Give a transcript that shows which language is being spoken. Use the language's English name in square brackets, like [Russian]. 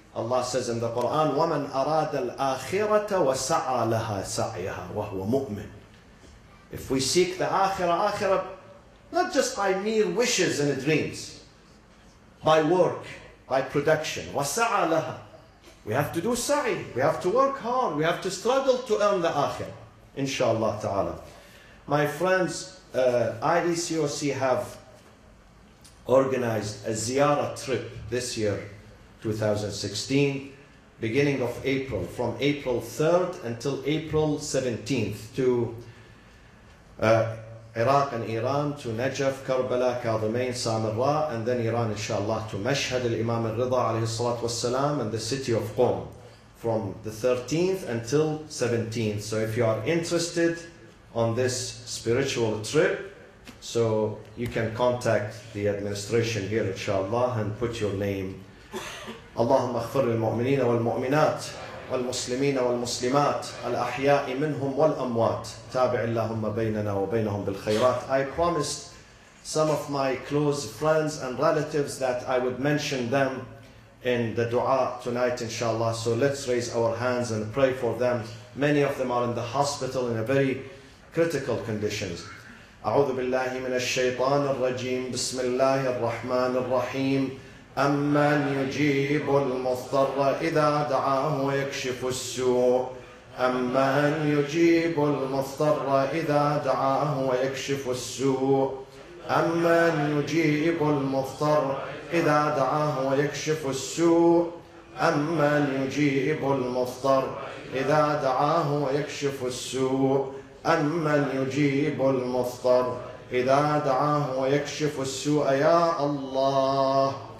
[English] Allah says in the Quran, [Arabic] وَمَنْ أَرَادَ الْآخِرَةَ وَسَعَى لَهَا سَعْيَهَا وَهُوَ مُؤْمِنٌ. [English] If we seek the akhirah, not just by mere wishes and dreams, by work, by production, [Arabic] وَسَعَى لَهَا. [English] We have to do sa'i. We have to work hard. We have to struggle to earn the akhirah, inshallah ta'ala. My friends, IDCOC have organized a ziyara trip this year, 2016, beginning of April, from April 3rd until April 17th, to Iraq and Iran, to Najaf, Karbala, Kadhimain, Samarra, and then Iran, inshallah, to Mashhad, al-Imam al-Rida, alayhi salatu wassalam, and the city of Qom, from the 13th until 17th. So if you are interested on this spiritual trip, so you can contact the administration here, inshallah, and put your name. [Arabic] Allahumma aghfir lil-mu'minina wal-mu'minat. والمسلمين والمسلمات الأحياء منهم والأموات تابع اللهم بيننا وبينهم بالخيرات. [English] I promised some of my close friends and relatives that I would mention them in the dua tonight, inshallah. So let's raise our hands and pray for them. Many of them are in the hospital in a very critical conditions. [Arabic] أعوذ بالله من الشيطان الرجيم. بسم الله الرحمن الرحيم. أمن يجيب المضطر إذا دعاه ويكشف السوء أمن يجيب المضطر إذا دعاه ويكشف السوء أمن يجيب المضطر إذا دعاه ويكشف السوء أمن يجيب المضطر إذا دعاه ويكشف السوء أمن يجيب المضطر إذا دعاه ويكشف السوء يا الله